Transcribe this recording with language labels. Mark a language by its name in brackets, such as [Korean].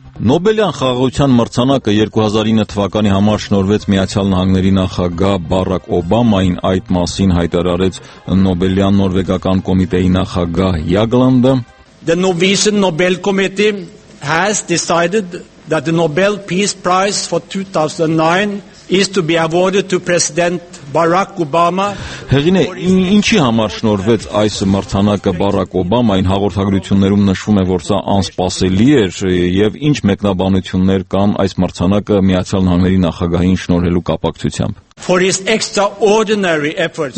[Armenian] Նոբելյան խաղաղության մրցանակը 2009 թվականի համար շնորվեց Միացյալ Նահանգների նախագահ Բարակ Օբամային, այդ մասին հայտարարեց Նոբելյան Նորվեգական կոմիտեի նախագահ Յագլանդը։ [English] The Norwegian Nobel Committee has decided that the Nobel Peace Prize for 2009 is to be awarded to President Barack Obama։ [Armenian] Հեղինե, ինչի համար շնորվեց այս մրցանակը Բարակ Օբամային, հաղորդագրություններում նշվում է, որ սա անսպասելի էր, եւ ինչ մեկնաբանություններ կան այս մրցանակը Միացյալ Նահանգների նախագահին շնորհելու կապակցությամբ։ [English] For his extraordinary efforts,